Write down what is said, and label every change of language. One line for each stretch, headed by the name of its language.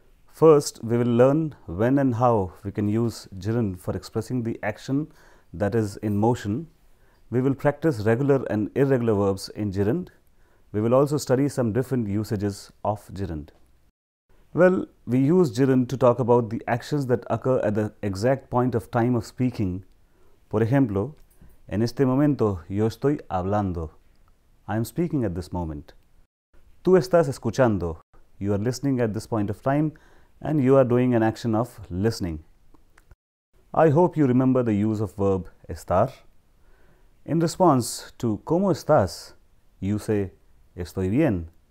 English: First, we will learn when and how we can use gerund for expressing the action that is in motion. We will practice regular and irregular verbs in gerund. We will also study some different usages of gerund. Well, we use gerund to talk about the actions that occur at the exact point of time of speaking.
Spanish: Por ejemplo, en este momento yo estoy hablando.
English: I am speaking at this moment.
Spanish: Tú estás escuchando.
English: You are listening at this point of time and you are doing an action of listening. I hope you remember the use of verb estar. In response to
Spanish: ¿cómo estás?,
English: you say
Spanish: estoy bien.